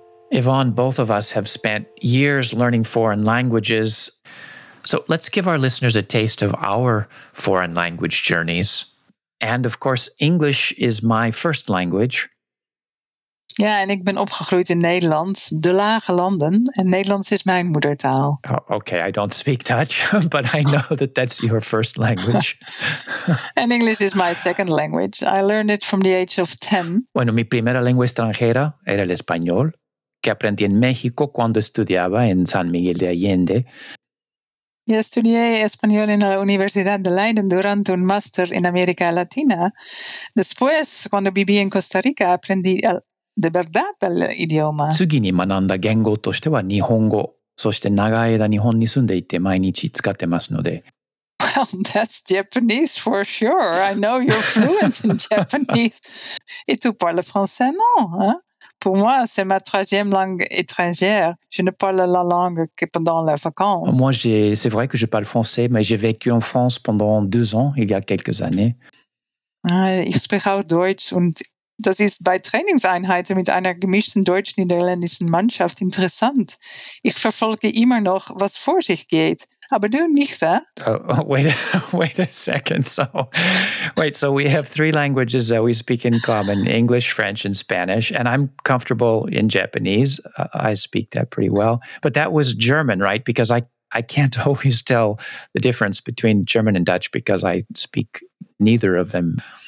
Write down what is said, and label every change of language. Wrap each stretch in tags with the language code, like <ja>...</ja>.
<en>Yvonne, both of us have spent years learning foreign languages. So let's give our listeners a taste of our foreign language journeys. And of course, English is my first language.</en> <nl>Ja, en ik ben opgegroeid in Nederland, de Lage Landen. En Nederlands is mijn moedertaal.</nl> <en>Oh, okay, I don't speak Dutch, but I know that that's your first language. And English is my second language. I learned it from the age of 10.</en> <es>Bueno, mi primera lengua extranjera era el español, que aprendí en México cuando estudiaba en San Miguel de Allende. Y estudié español en la Universidad de Leiden durante un máster en América Latina. Después, cuando viví en Costa Rica, aprendí de verdad el idioma.</es> <ja>次に学んだ言語としては日本語。そして長い間日本に住んでいて毎日使ってますので。</ja> <en>Well, that's Japanese for sure. I know you're fluent in Japanese.</en> <fr>Et tu parles français, non, hein? Pour moi, c'est ma troisième langue étrangère. Je ne parle la langue que pendant les vacances. Moi, c'est vrai que je parle français, mais j'ai vécu en France pendant 2 ans, il y a quelques années.</fr> <de>Ah, ich spreche auch Deutsch und das ist bei Trainingseinheiten mit einer gemischten deutsch-niederländischen Mannschaft interessant. Ich verfolge immer noch, was vor sich geht. Aber du nicht, hein?</de> <en>Wait a second. So we have three languages that we speak in common, English, French, and Spanish. And I'm comfortable in Japanese. I speak that pretty well. But that was German, right? Because I can't always tell the difference between German and Dutch because I speak neither of them.</en>